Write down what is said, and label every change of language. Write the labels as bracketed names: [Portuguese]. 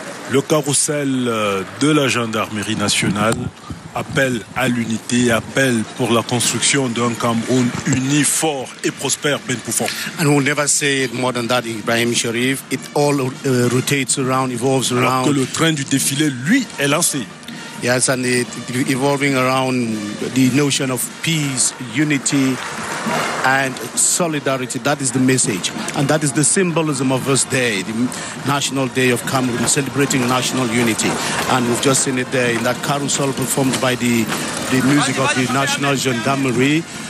[French] le carrousel de la gendarmerie nationale, appel à l'unité, appel pour la construction d'un Cameroun uni, fort et prospère, Ben Poufon. [English] And we'll never say it more than that, Ibrahim Sharif. It all rotates around, evolves around. [French] Alors que le train du défilé, lui, est lancé. [English] Yes, and it evolving around the notion of peace, unity, and solidarity. That is the message. And that is the symbolism of this day, the National Day of Cameroon, celebrating national unity. And we've just seen it there in that carousel performed by the music of the National Gendarmerie.